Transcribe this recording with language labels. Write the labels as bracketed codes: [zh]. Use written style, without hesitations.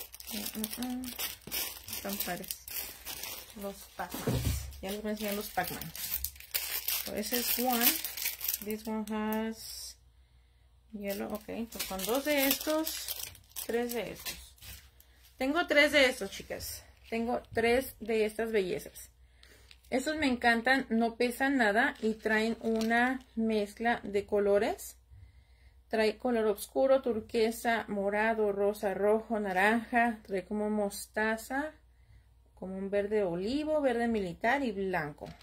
[es] Están pares. Los Pac-Man. Ya les voy a enseñar los Pac-Man. [en] So, [es] ese es [en] one. This one has yellow. Ok, [es] entonces son 2 de estos. 3 de estos. Tengo 3 de estos, chicas. Tengo 3 de estas bellezas. Estos me encantan. No pesan nada y traen una mezcla de colores. Trae color oscuro, turquesa, morado, rosa, rojo, naranja. Trae como mostaza. Como un verde olivo, verde militar y blanco.